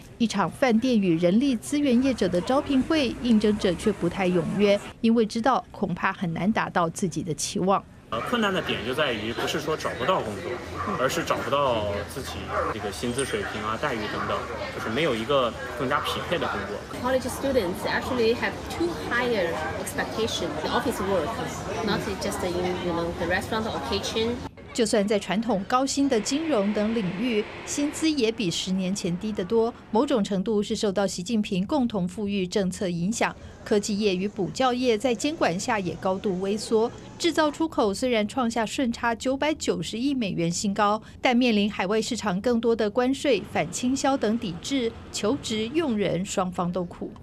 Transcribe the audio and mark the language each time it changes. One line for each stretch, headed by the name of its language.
Chinese: 一场饭店与人力资源业者的招聘会，应征者却不太踊跃，因为知道恐怕很难达到自己的期望。困难的点就在于不是说找不到工作，而是找不到自己这个薪资水平啊、待遇等等，就是没有一个更加匹配的工作。
English: College students actually have too higher expectation the office work, not just in the restaurant or kitchen.
Chinese: 就算在传统高薪的金融等领域，薪资也比10年前低得多，某种程度是受到习近平共同富裕政策影响。科技业与补教业在监管下也高度萎缩，制造出口虽然创下顺差990亿美元新高，但面临海外市场更多的关税、反倾销等抵制，求职用人双方都苦。